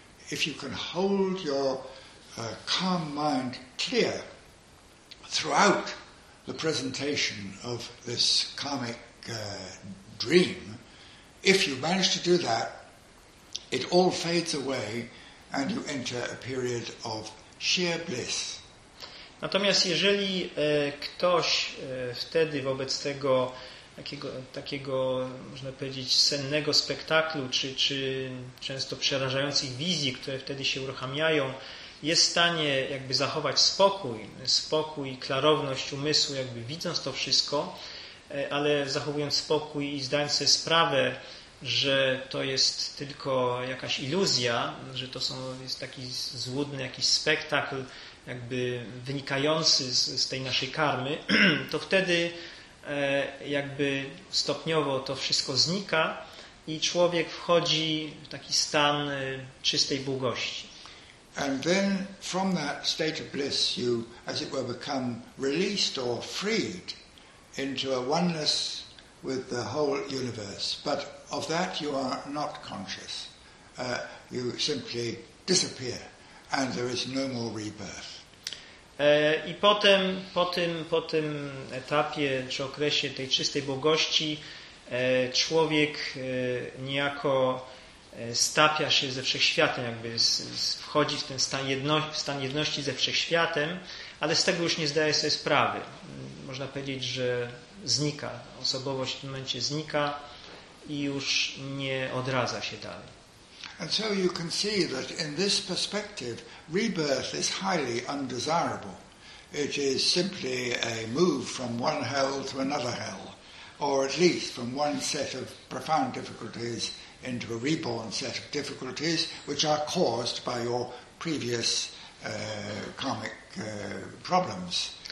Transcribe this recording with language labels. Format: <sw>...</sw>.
<en>If you can hold your calm mind clear throughout the presentation of this karmic dream, if you manage to do that, it all fades away and you enter a period of sheer bliss.</en> <pl>Natomiast jeżeli ktoś wtedy wobec tego takiego, można powiedzieć, sennego spektaklu, czy często przerażających wizji, które wtedy się uruchamiają, jest w stanie jakby zachować spokój, klarowność umysłu, jakby widząc to wszystko, ale zachowując spokój i zdając sobie sprawę, że to jest tylko jakaś iluzja, że to jest taki złudny jakiś spektakl, jakby wynikający z tej naszej karmy, to wtedy jakby stopniowo to wszystko znika i człowiek wchodzi w taki stan czystej błogości.</pl> <en>And then from that state of bliss you, as it were, become released or freed into a oneness with the whole universe. But of that you are not conscious. You simply disappear and there is no more rebirth.</en> <pl>I potem, po tym etapie czy okresie tej czystej błogości człowiek niejako stapia się ze wszechświatem, jakby wchodzi w ten stan jedności ze wszechświatem, ale z tego już nie zdaje sobie sprawy. Można powiedzieć, że znika, osobowość w tym momencie znika i już nie odradza się dalej.</pl> <en>And so you can see that in this perspective rebirth is highly undesirable. It is simply a move from one hell to another hell, or at least from one set of profound difficulties into a reborn set of difficulties which are caused by your previous karmic problems.</en>